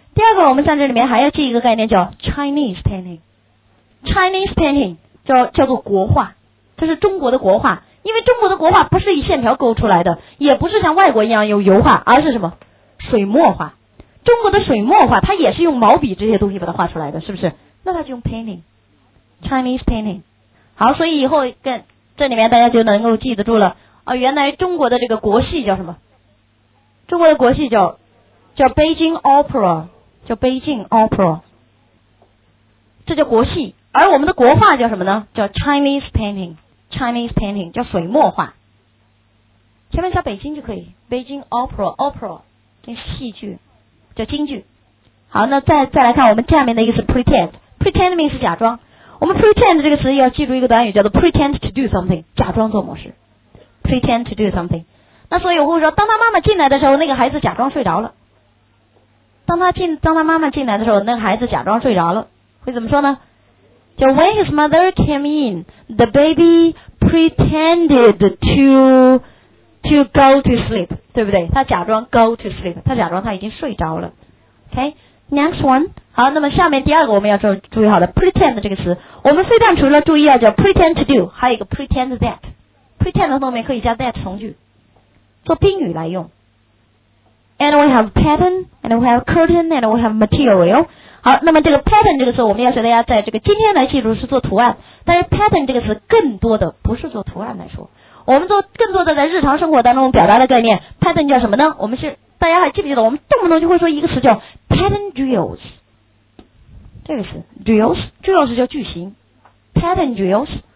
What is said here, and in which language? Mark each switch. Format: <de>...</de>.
<zh>个我们在这里面还要记一个概念叫 Chinese painting。 Chinese painting 叫做国画，这是中国的国画。因为中国的国画不是以线条勾出来的，也不是像外国一样有油画，而是什么水墨画。中国的水墨画它也是用毛笔这些东西把它画出来的，是不是？那它就用 painting， Chinese painting。好，所以以后跟这里面大家就能够记得住了啊，原来中国的这个国戏叫什么，中国的国戏叫 Beijing Opera， 叫 Beijing Opera， 这叫国戏。而我们的国画叫什么呢？叫 Chinese painting， Chinese painting 叫水墨画。前面加北京就可以， Beijing Opera， Opera 跟戏剧叫京剧。好，那再来看我们下面的一个是 pretend。</zh> <en>Pretend means</en> <zh>假装。我们 pretend 这个词要记住一个短语，叫做</zh> <en>pretend to do something，</en> <zh>假装做某事。</zh> <en>pretend to do something。</en> <zh>那所以我会说，当他妈妈进来的时候，那个孩子假装睡着了。当他妈妈进来的时候，那个孩子假装睡着了，会怎么说呢？叫</zh> <en>when his mother came in， the baby pretended to go to sleep，</en> <zh>对不对？他假装</zh> <en>go to sleep，</en> <zh>他假装他已经睡着了。</zh> <en>OK， next one。</en> <zh>好，那么下面第二个我们要注意好的 pretend 这个词，我们非但除了注意要叫</zh> <en>pretend to do，</en> <zh>还有一个</zh> <en>pretend that。</en> <zh>pretend 的后面可以加 that 从句，做宾语来用。</zh> <en>and we have pattern and we have curtain and we have material。</en> <zh>好，那么这个 pattern 这个词我们要学大家在这个今天来记住是做图案，但是 pattern 这个词更多的不是做图案来说，我们做更多的在日常生活当中表达的概念。pattern 叫什么呢？我们是大家还记不记得我们动不动就会说一个词叫 pattern drills， 这个词 drills， drills 叫句型， pattern drills。</zh>